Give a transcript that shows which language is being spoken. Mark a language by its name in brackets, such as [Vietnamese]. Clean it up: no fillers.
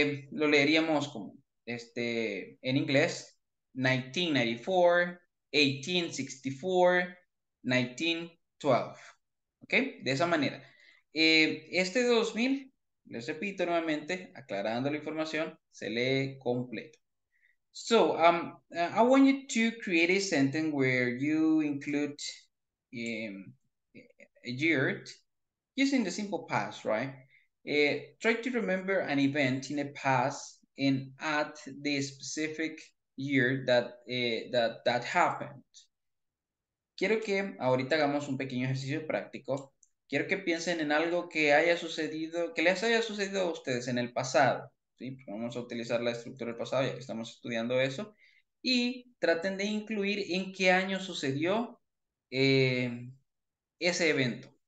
[Spanish] Lo leeríamos como en inglés, 1994, 1864, 1912. ¿Ok? De esa manera. Este 2000, les repito nuevamente, aclarando la información, se lee completo. [English] So, I want you to create a sentence where you include a year using the simple past, right? Try to remember an event in the past and at the specific year that happened. [Spanish] Quiero que ahorita hagamos un pequeño ejercicio práctico. Quiero que piensen en algo que haya sucedido, que les haya sucedido a ustedes en el pasado, ¿sí? Vamos a utilizar la estructura del pasado, ya que estamos estudiando eso. Y traten de incluir en qué año sucedió ese evento.